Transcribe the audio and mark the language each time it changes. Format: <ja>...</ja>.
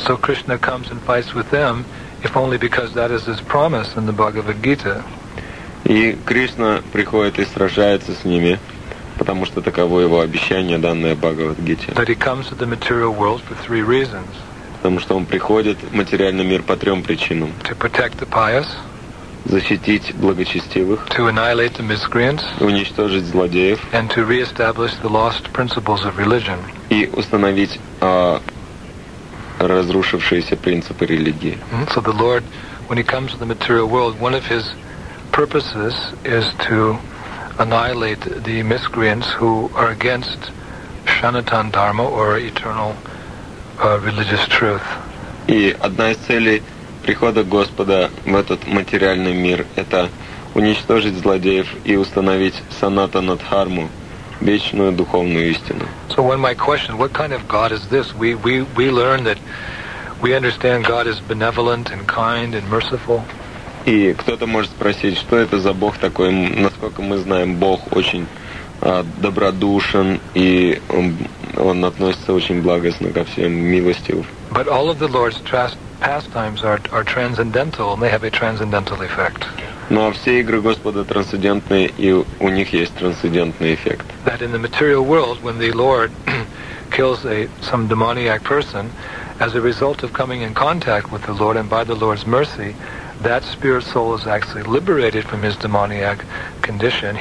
<en>So Krishna comes and fights with them, if only because that is his promise in the Bhagavad Gita.</en> <ru>И Кришна приходит и сражается с ними, потому что таково его обещание, данное в Бхагавад Гите.</ru> <en>That he comes to the material world for three reasons.</en> <ru>Потому что он приходит в материальный мир по трем причинам.</ru> <en>To protect the pious.</en> <ru>Защитить благочестивых.</ru> <en>To annihilate the miscreants.</en> <ru>Уничтожить злодеев.</ru> <en>And to reestablish the lost principles of religion.</en> <ru>И установить разрушившиеся принципы религии. Mm-hmm.</ru> <en>So the Lord, when he comes to the material world, one of his purposes is to annihilate the miscreants who are against Sanatan Dharma or eternal religious truth.</en> <ru>И одна из целей прихода Господа в этот материальный мир — это уничтожить злодеев и установить Санатана Дхарму, вечную духовную истину.</ru> <en>So one might question, what kind of God is this? We learn that we understand God is benevolent and kind and merciful.</en> <ru>И кто-то может спросить, что это за Бог такой? Насколько мы знаем, Бог очень добродушен, и он относится очень благостно ко всем, милостив.</ru> <en>But all of the Lord's pastimes are transcendental, and they have a transcendental effect.</en> <ru>Но все игры Господа трансцендентны, и у них есть трансцендентный эффект.</ru> <en>That in the material world, when the Lord kills some demoniac person, as a result of coming in contact with the Lord and by the Lord's mercy, that spirit soul is actually liberated from his demoniac condition.</en>